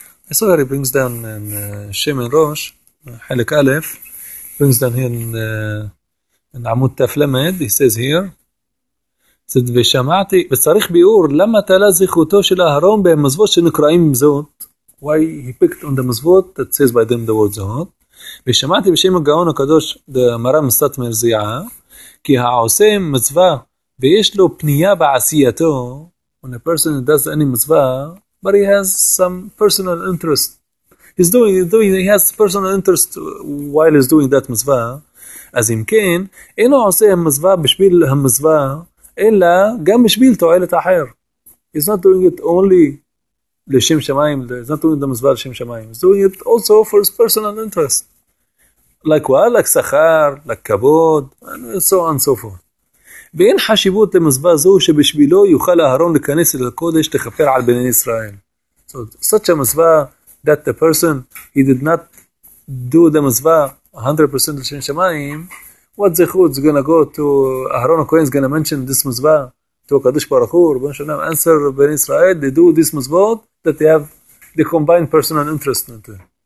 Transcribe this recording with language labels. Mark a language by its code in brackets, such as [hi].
[en] I saw that he brings down in Shemin Rosh, Halik Aleph, brings down here in Amud Taf Lamed, he says here, said, [he] ושמעתי, וצריך ביאור, למה תעלה זכותו של אהרון במזוות שנקראים זאת? [en] Why he picked on the מזוות that says by them the word זאת? [he] ושמעתי בשם הגאון הקדוש, דמרם סטמר זיעה, כי העושה מצווה, ויש לו פנייה בעשייתו, [en] when a person does any מצווה, but he has some personal interest. He has personal interest while he's doing that מצווה. [he] אז אם כן, אינו עושה מצווה בשביל המצווה, אלא גם בשביל תועלת אחר. [en] He's not doing it only לשם שמיים, he's not doing the מזווה לשם שמיים, he's doing it also for his personal interest. Like what? Like שכר, like כבוד, and so on and so forth. [he] ואין חשיבות למזווה זו שבשבילו יוכל אהרון לכנס אל הקודש לכפר על בני ישראל. [en] So such a מזווה that the person, he did not do the מזווה 100% לשם שמיים, what zechut is going to go to Aharon HaKohen is going to mention this mitzvah to HaKadosh Baruch Hu, Rabban Shalom, answer Ben Israel, they do this mitzvot that they have the combined personal interest in it.